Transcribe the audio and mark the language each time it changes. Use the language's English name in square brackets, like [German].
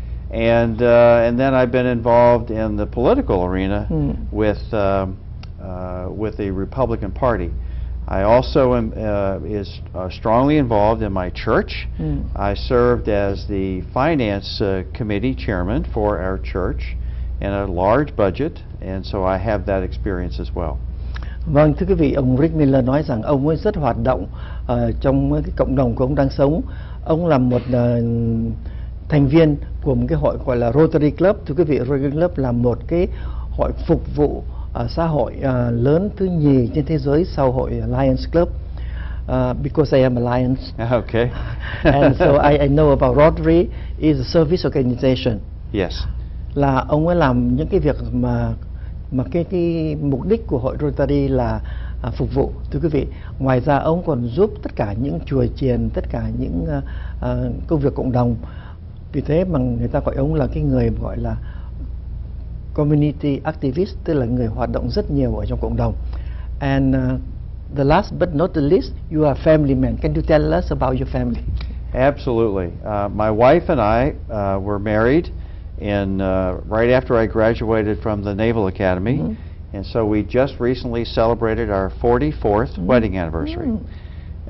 [English] And then I've been involved in the political arena with the Republican Party. I also am strongly involved in my church. I served as the finance committee chairman for our church in a large budget, and so I have that experience as well. [Vietnamese] Vâng, thưa quý vị, ông Rick Miller nói rằng ông ấy rất hoạt động trong cái cộng đồng của ông đang sống. Ông là một thành viên của một cái hội gọi là Rotary Club. Thưa quý vị, Rotary Club là một cái hội phục vụ xã hội lớn thứ nhì trên thế giới sau hội Lions Club. [English] Because I am a Lions. Okay. And so I know about Rotary is a service organization. Yes. [Vietnamese] Là ông ấy làm những cái việc mà cái mục đích của hội Rotary là phục vụ. Thưa quý vị, ngoài ra ông còn giúp tất cả những chùa chiền, tất cả những công việc cộng đồng. Vì thế mà người ta gọi ông là cái người gọi là [English] community activist, [Vietnamese] tức là người hoạt động rất nhiều ở trong cộng đồng. [English] And the last but not the least, you are a family man. Can you tell us about your family? Absolutely. My wife and I were married in right after I graduated from the Naval Academy. Mm-hmm. And so we just recently celebrated our 44th mm-hmm. wedding anniversary. Mm-hmm.